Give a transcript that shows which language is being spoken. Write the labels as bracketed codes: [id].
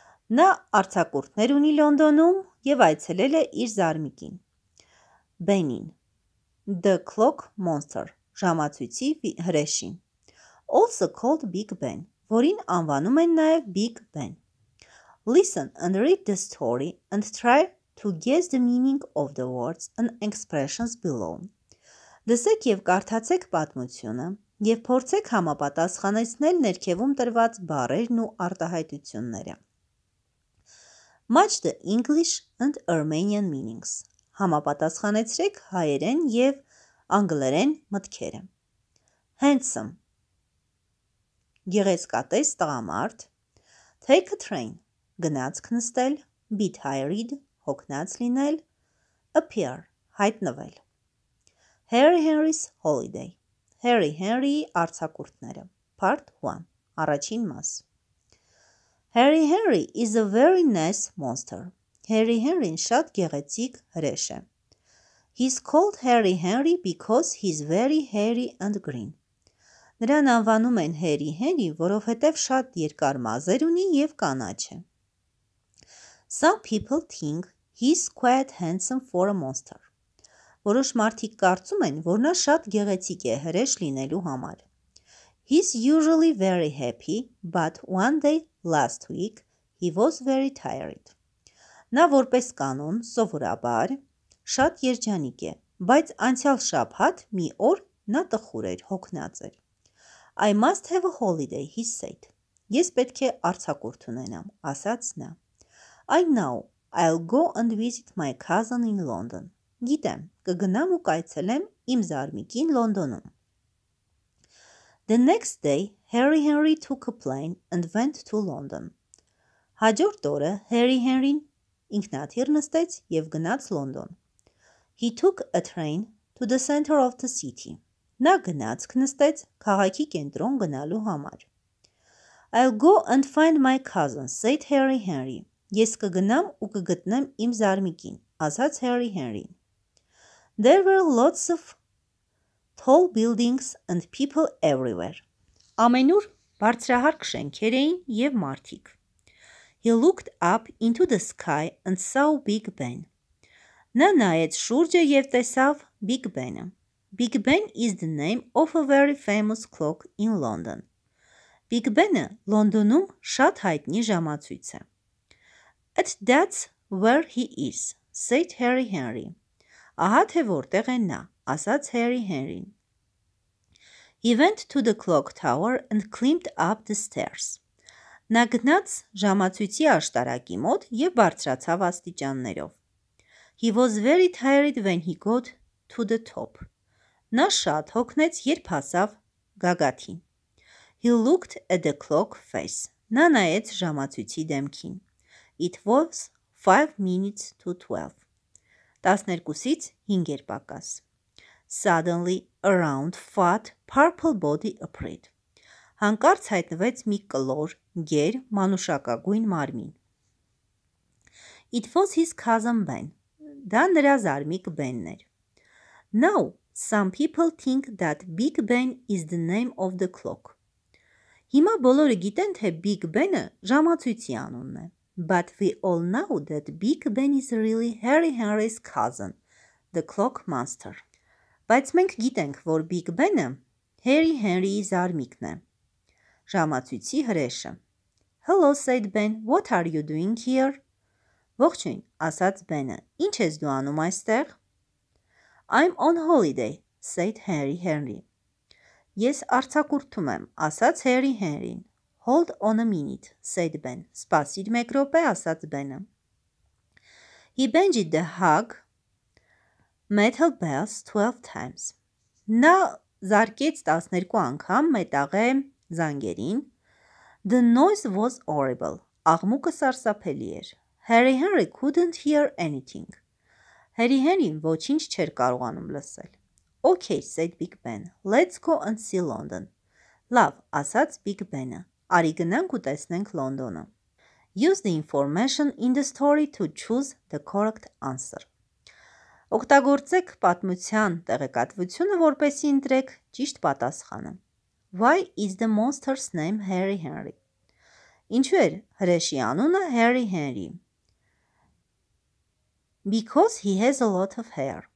[hy] Նա արձակուրդներ ունի Լոնդոնում եւ այցելել է իր զարմիկին։ Բենին. [en] The clock monster. [hy] Ժամացույցի հրեշին. [en] Also called Big Ben, [hy] որին անվանում են նաեւ Big Ben. [en] Listen and read the story and try to guess the meaning of the words and expressions below. [hy] Լսեք եւ կարդացեք պատմությունը եւ փորձեք համապատասխանեցնել ներքևում տրված բառերն ու արտահայտությունները. [en] Match the English and Armenian meanings. [hy] Համապատասխանեցրեք հայերեն եւ անգլերեն մտքերը. Handsome. Գեղեցկատես տղամարդ. [en] Take a train. [hy] Գնացք նստել. [en] Be tired. [hy] Հոգնած լինել. Appear. Հայտնվել. [en] Harry's holiday. [hy] Harry-ի արձակուրդները. [en] Part 1. [hy] Առաջին մաս. [en] Harry is a very nice monster. [hy] Harry-ն շատ գեղեցիկ հրեշ է. [en] He's called Harry Henry because he's very hairy and green. [hy] Նրան անվանում են Harry Henry, որովհետև շատ երկար մազեր ունի և կանաչ է. [en] Some people think he's quite handsome for a monster. [hy] Որոշ մարդիկ կարծում են, որ նա շատ գեղեցիկ է հրեշ լինելու համար. [en] He's usually very happy, but one day last week he was very tired. [hy] Նա որպես կանոն, սովորաբար, շատ երջանիկ է, բայց անցյալ շաբաթ մի օր նա տխուր էր, հոգնած էր. [en] I must have a holiday, he said. [hy] Ես պետք է արձակուրդ ունենամ, ասաց նա. [en] I know, I'll go and visit my cousin in London. [hy] Գիտեմ, կգնամ ու կայցելեմ իմ զարմիկին Լոնդոնում. [en] The next day, Harry Henry took a plane and went to London. [hy] Հաջորդ օրը Harry Henry-ն ինքնաթիռ նստեց և գնաց Լոնդոն. [en] He took a train to the center of the city. [hy] Նա գնաց կնստեց քաղաքի կենտրոն գնալու համար. [en] I'll go and find my cousin, said Harry Henry. [hy] Ես կգնամ ու կգտնեմ իմ զարմիկին, ասաց Harry Henry-ն. [en] There were lots of tall buildings and people everywhere. [hy] Ամենուր բարձրահարկ շենքեր էին և մարդիկ. [en] He looked up into the sky and saw Big Ben. [hy] Նա նայեց շուրջը և տեսավ Big Ben-ը. [en] Big Ben is the name of a very famous clock in London. [hy] Big Ben-ը Լոնդոնում շատ հայտնի ժամացույց է. [en] And that's where he is, said Harry Henry. [hy] Ահա թե որտեղ է նա, ասաց Harry Henry-ն. [en] He went to the clock tower and climbed up the stairs. [hy] Նա գնաց ժամացույցի աշտարակի մոտ և բարձրացավ աստիճաններով. [en] He was very tired when he got to the top. [hy] Նա շատ հոգնեց, երբ հասավ գագաթին. [en] He looked at the clock face. [hy] Նա նայեց ժամացույցի դեմքին. [en] It was 5 minutes to 12. [hy] 12-ից 5 էր պակաս. [en] Suddenly, a round, fat, purple body appeared. [hy] Հանկարծ հայտնվեց մի կլոր, գեր, մանուշակագույն մարմին. [en] It was his cousin Ben. [hy] Դա նրա զարմիկ Ben-ն էր. [en] Now, some people think that Big Ben is the name of the clock. [hy] Հիմա բոլորը գիտեն, թե Big Ben-ը ժամացույցի անունն է. [en] But we all know that Big Ben is really Harry Henry's cousin, the clock master. [hy] Բայց մենք գիտենք, որ Big Ben-ը Harry Henry-ի զարմիկն է, ժամացույցի հրեշը. [en] Hello, said Ben. What are you doing here? [hy] Ողջույն, ասաց Ben-ը. Ինչ ես դու անում այստեղ? [en] I'm on holiday, said Harry Henry. [hy] Ես արձակուրդում եմ, ասաց Harry Henry-ն. [en] Hold on a minute, said Ben. [hy] Սպասիր մեկ րոպե, ասաց Ben-ը. [en] He banged the hug metal bells 12 times. [hy] Նա զարկեց 12 անգամ մետաղե զանգերին. [en] The noise was horrible. [hy] Աղմուկը սարսափելի էր. [en] Harry Henry couldn't hear anything. [hy] Harry Henry-ն ոչինչ չէր կարողանում լսել. [en] Okay, said Big Ben. Let's go and see London. [hy] Լավ, ասաց Big Ben-ը. Արի գնանք ու տեսնենք Լոնդոնը. [en] Use the information in the story to choose the correct answer. [hy] Օգտագործեք պատմության տեղեկատվությունը, որպեսզի ընտրեք ճիշտ պատասխանը. [en] Why is the monster's name Harry Henry? [hy] Ինչու էր հրեշի անունը Harry Henry? [en] Because he has a lot of hair.